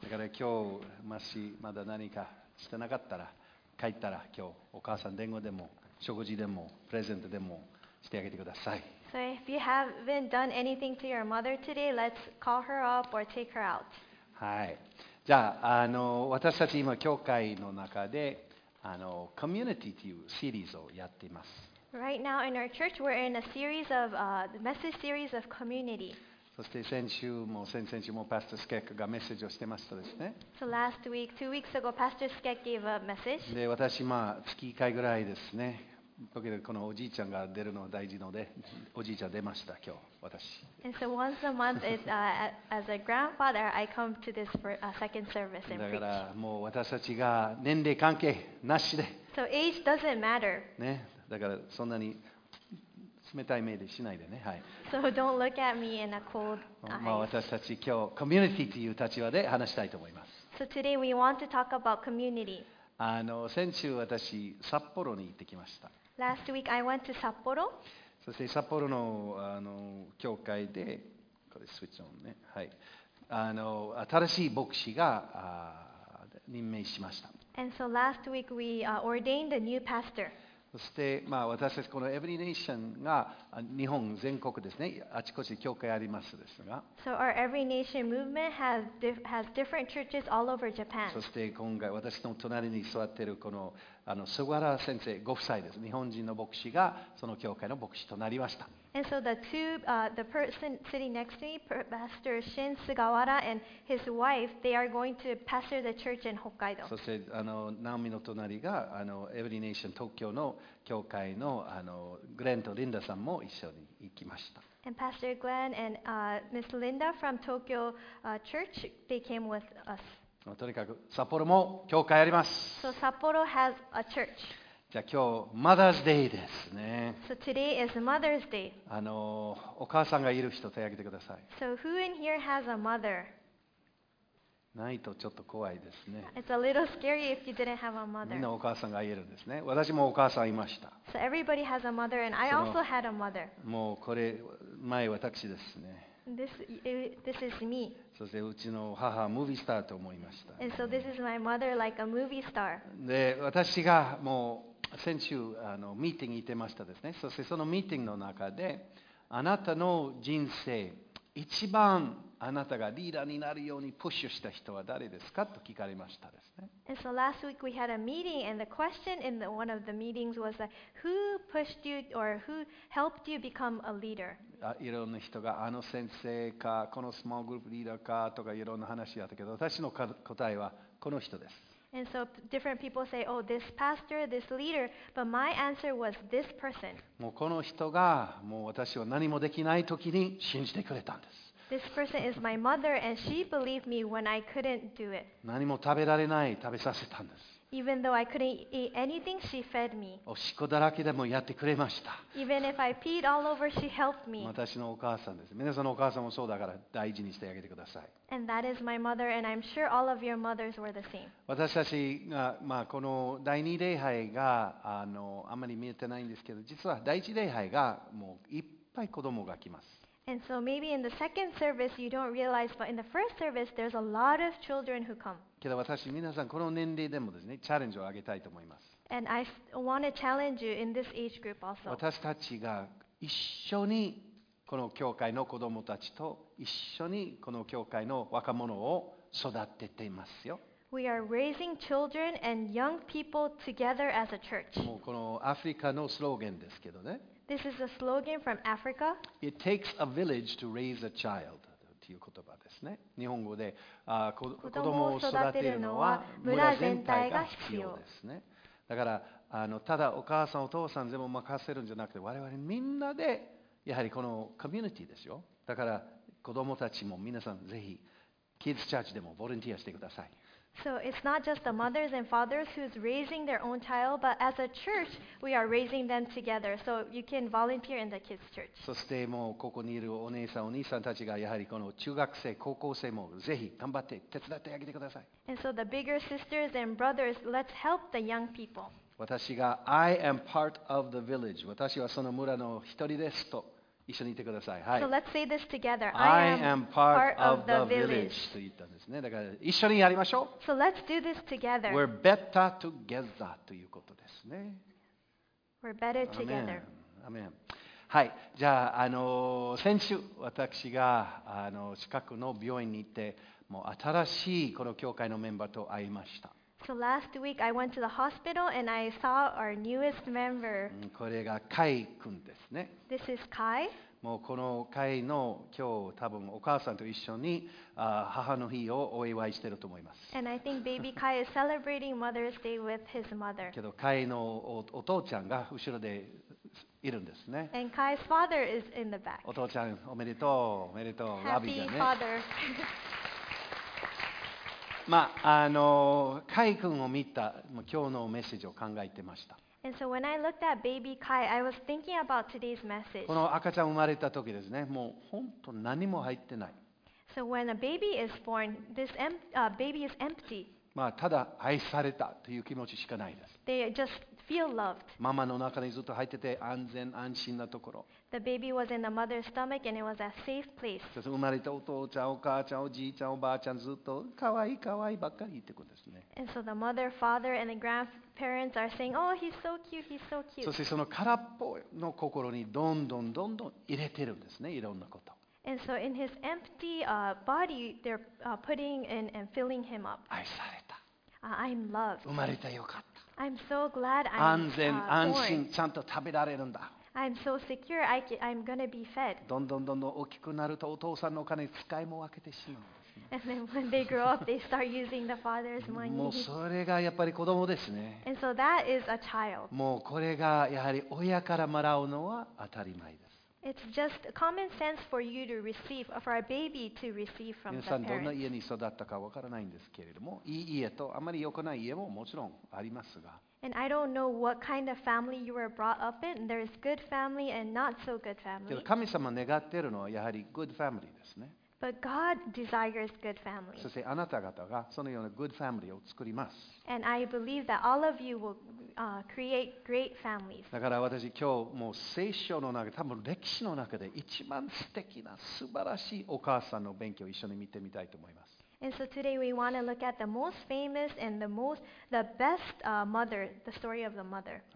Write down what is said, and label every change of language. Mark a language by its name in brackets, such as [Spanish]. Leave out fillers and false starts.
[Japanese] だから今日、もしまだ何かしてなかったら、帰ったら今日、お母さん、電話でも、食事でも、プレゼントでも、してあげてください。 [English] So if you haven't done anything to your mother today, let's call her up or take her out. [Japanese] はい。じゃあ、私たち今教会の中で、Community というシリーズをやっています。 [English] Right now in our church, we're in a series of message series of Community. [Japanese] そして先週も先々週もパスタスケックがメッセージをしてましたですね。 [English] So last week, two weeks ago, Pastor Skek gave a message. [Japanese] で、私まあ月1回ぐらいですね。だけどこのおじいちゃんが出るのは大事ので、おじいちゃん出ました今日私。 [English] And so once a month, it, as a grandfather, I come to this for a second service and preach. [Japanese] だからもう私たちが年齢関係なしで。 [English] So age doesn't matter. [Japanese] ね、だからそんなに冷たい目でしないでね、はい。 [English] So don't look at me in a cold eye. [Japanese] まあ私たち今日コミュニティという立場で話したいと思います。 [English] So today we want to talk about community. [Japanese] 先週私札幌に行ってきました。 [English] Last week I went to Sapporo. [Japanese] そして札幌の教会でこれスイッチオンね、はい、新しい牧師が任命しました。 [English] And so last week we ordained a new pastor. [Japanese] そしてまあ私たちこのEvery Nationが日本全国ですね、あちこち教会ありますですが。 [English] So our Every Nation movement has different churches all over Japan. [Japanese] そして今回私の隣に座っているこの菅原先生ご夫妻です。日本人の牧師がその教会の牧師となりました。 [English] And so the two, the person sitting next to me, Pastor Shin Sugawara and his wife, they are going to pastor the church in Hokkaido. [Japanese] そしてナオミの隣がEvery Nation東京の教会のグレンとリンダさんも一緒に行きました。 [English] And Pastor Glenn and Miss Linda from Tokyo Church, they came with us. [Japanese] とにかく札幌も教会あります。 [English] So Sapporo has a church. じ [Japanese] じゃあ今日マザーズデイですね。 [English] So today is Mother's Day. [Japanese] あのお母さんがいる人手を挙げてください。 [English] So who in here has a mother? [Japanese] ないとちょっと怖いですね。 [English] It's a little scary if you didn't have a mother. [Japanese] みんなお母さんがいるんですね。私もお母さんいました。 [English] So everybody has a mother and I also had a mother. [Japanese] もうこれ前私ですね。 [English] This is me. [Japanese] そしてうちの母はムービースターと思いました。 [English] And so this is my mother, like a movie star. [Japanese] で私がもう先週あのミーティングにいてましたですね。そしてそのミーティングの中であなたの人生一番あなたがリーダーになるようにプッシュした人は誰ですかと聞かれましたですね。 [English] And so last week we had a meeting and the question in the, one of the meetings was like, who pushed you or who helped you become a leader? [Japanese] いろんな人があの先生かこのスモールグループリーダーかとかいろんな話があったけど私の答えはこの人です。 [English] And so different people say, oh, this pastor, this leader, but my answer was this person. [Japanese] もうこの人がもう私は何もできない時に信じてくれたんです。 [English] This person is my mother, and she believed me when I couldn't do it. [Japanese] 何も食べられない、食べさせたんです。 [English] Even though I couldn't eat anything, she fed me. [Japanese] おしっこだらけでもやってくれました。 [English] Even if I peed all over, she helped me. [Japanese] 私のお母さんです。皆さんのお母さんもそうだから大事にしてあげてください。 [English] And that is my mother, and I'm sure all of your mothers were the same. [Japanese] 私たちが、まあ、この第二礼拝が あんまり見えてないんですけど、実は第一礼拝がもういっぱい子供が来ます。 [English] And so maybe in the second service you don't realize, but in the first service there's a lot of children who come. [Japanese] けど私皆さんこの年齢でもですね、チャレンジをあげたいと思います。 [English] And I want to challenge you in this age group also. [Japanese] 私たちが一緒にこの教会の子どもたちと一緒にこの教会の若者を育てていますよ。 [English] We are raising children and young people together as a church. [Japanese] もうこのアフリカのスローガンですけどね。 [English] This is a slogan from Africa. It takes a village to raise a child. [Japanese] という言葉ですね。日本語で、子供を育てるのは村全体が必要ですね。だから、ただお母さんお父さんでも任せるんじゃなくて、我々みんなでやはりこのコミュニティですよ。だから子供たちも皆さんぜひ、キッズチャーチでもボランティアしてください。 [English] So it's not just the mothers and fathers who's raising their own child, but as a church, we are raising them together. So you can volunteer in the kids church. [Japanese] そしてもうここにいるお姉さんお兄さんたちがやはりこの中学生高校生もぜひ頑張って手伝ってあげてください。 [English] And so the bigger sisters and brothers, let's help the young people. [Japanese] 私が [English] I am part of the village. [Japanese] 私はその村の一人ですと一緒にいてください。はい。 [English] So let's say this together. I am part of the village. [Japanese] と言ったんですね。だから一緒にやりましょう。 [English] So let's do this together. We're better together [Japanese] ということですね。 [English] We're better together. Amen. Amen. [Japanese] はい。じゃあ先週私が近くの病院に行って、もう新しいこの教会のメンバーと会いました。 [English] So last week I went to the hospital and I saw our newest member. [Japanese] これがカイ君ですね。 [English] This is Kai. [Japanese] もうこのカイの今日多分お母さんと一緒に母の日をお祝いしていると思います。 [English] And I think baby Kai is celebrating Mother's Day with his mother. [Japanese] けどカイの お父ちゃんが後ろでいるんですね。 [English] And Kai's father is in the back. [Japanese] お父ちゃんおめでとうおめでとう。 [English] Happy father. [Japanese] まあカイ君を見た今日のメッセージを考えてました。 [English] And so when I looked at baby Kai, I was thinking about today's message. [Japanese] この赤ちゃん生まれた時ですね、もう本当何も入ってない。 [English] So when a baby is born, this baby is empty. [Japanese] まあただ愛されたという気持ちしかないです。 [English] They just feel loved. [Japanese] ママの中にずっと入ってて安全安心なところ。 [English] The baby was in the mother's stomach and it was a safe place. [Japanese] 生まれたお父ちゃん、お母ちゃん、おじいちゃん、おばあちゃんずっとかわいいかわいいばっかり言ってくるんですね。 [English] And so the mother, father, and the grandparents are saying, oh, he's so cute, he's so cute. [Japanese] そしてその空っぽの心にどんどんどんどん入れてるんですね、いろんなこと。 [English] And so in his empty body, they're putting in and filling him up. [Japanese] 愛された。 [English] I'm loved. [Japanese] 生まれてよかった。 [English] I'm so glad I'm [Japanese] 安全、安心、ちゃんと食べられるんだ。 [English] I'm so secure. I'm gonna be fed. [Japanese] どんどんどんどん大きくなるとお父さんのお金使いも分けてしまう。 [English] And then when they grow up, they start using the father's money. [Japanese] もうそれがやっぱり子供ですね。 [English] And so that is a child. [Japanese] もうこれがやはり親からもらうのは当たり前です。 [English] It's just common sense for you to receive, for our baby to receive from the parents. [Japanese] 皆さんどんな家に育ったかわからないんですけれども、いい家とあまり良くない家ももちろんありますが。 [English] And I don't know what kind of family you were brought up in. There is good family and not so good family. [Japanese] 神様願っているのはやはり [English] good family [Japanese] ですね。 [English] But God desires good family. [Japanese] そしてあなた方がそのような [English] good family [Japanese] を作ります。 [English] And I believe that all of you will create great families. [Japanese] だから私今日もう聖書の中、多分歴史の中で一番素敵な素晴らしいお母さんの勉強を一緒に見てみたいと思います。 [English] And so today we want to look at the most famous and the most the best mother, the story of the mother.